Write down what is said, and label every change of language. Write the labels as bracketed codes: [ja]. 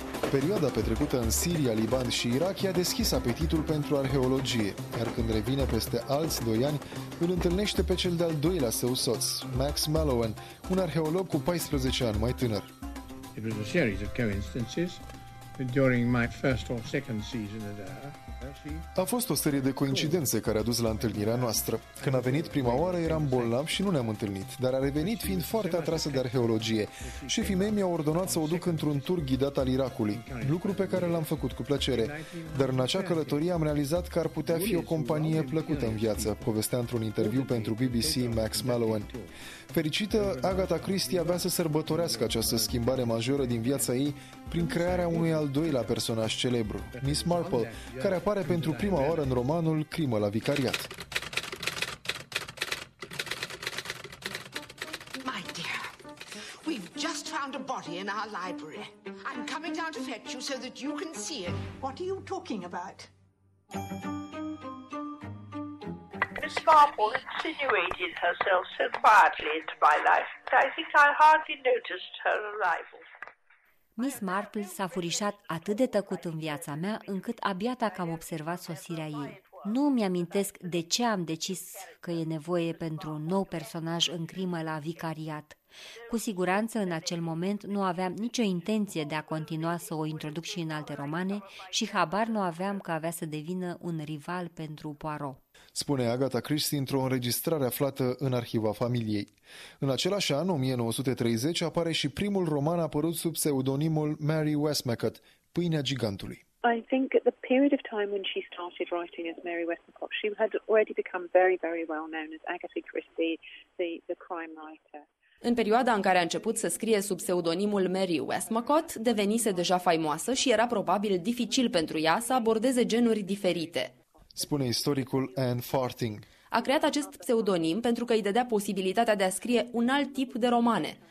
[ro] Perioada petrecută în Siria, Liban și Irak i-a deschis apetitul pentru arheologie, iar când revine peste alți 2 ani, îl întâlnește pe cel de-al doilea său soț, Max Mallowan, un arheolog cu 14 ani mai tânăr. [en] It was a series of coincidences during my first or second season at Earth. [ro] A fost o serie de coincidențe care a dus la întâlnirea noastră. Când a venit prima oară, eram bolnav și nu ne-am întâlnit, dar a revenit fiind foarte atrasă de arheologie. Șefii mei mi-au ordonat să o duc într-un tur ghidat al Irakului, lucru pe care l-am făcut cu plăcere. Dar în acea călătorie am realizat că ar putea fi o companie plăcută în viață, povestea într-un interviu pentru BBC Max Mallowan. Fericită, Agatha Christie avea să sărbătorească această schimbare majoră din viața ei prin crearea unui al doilea personaj celebru, Miss Marple, care apare pentru prima oară în romanul Crimă la vicariat. [en] My dear, we've just found a body in our library. I'm coming down to fetch you so that you can see it. What are you talking about? Miss Marple insinuated herself so quietly into my life that I think I hardly noticed her arrival. [ro] Miss Marple s-a furișat atât de tăcut în viața mea, încât abia dacă am observat sosirea ei. Nu îmi amintesc de ce am decis că e nevoie pentru un nou personaj în Crimă la vicariat. Cu siguranță, în acel moment, nu aveam nicio intenție de a continua să o introduc și în alte romane și habar nu aveam că avea să devină un rival pentru Poirot. Spune Agatha Christie într-o înregistrare aflată în arhiva familiei. În același an, 1930, apare și primul roman apărut sub pseudonimul Mary Westmacott, Pâinea Gigantului. [en] I think at the period of time when she started writing as Mary Westmacott, she had already become very, very well known as Agatha Christie, the crime writer. [ro] În perioada în care a început să scrie sub pseudonimul Mary Westmacott, devenise deja faimoasă și era probabil dificil pentru ea să abordeze genuri diferite. Spune istoricul Anne Farthing. A creat acest pseudonim pentru că îi dădea posibilitatea de a scrie un alt tip de romane.